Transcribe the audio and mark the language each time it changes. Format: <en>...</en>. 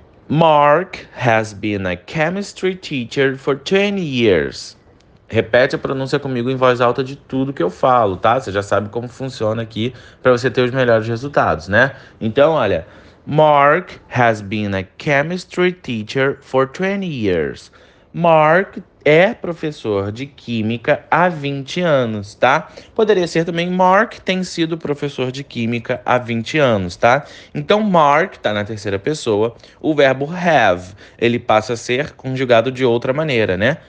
<en>Mark has been a chemistry teacher for 20 years.</en> <pt>Repete a pronúncia comigo em voz alta de tudo que eu falo, tá? Você já sabe como funciona aqui para você ter os melhores resultados, né? Então, olha.</pt> <en>Mark has been a chemistry teacher for 20 years.</en> <pt>Mark é professor de química há 20 anos, tá? Poderia ser também Mark tem sido professor de química há 20 anos, tá? Então Mark tá na terceira pessoa, o verbo have, ele passa a ser conjugado de outra maneira, né?</pt>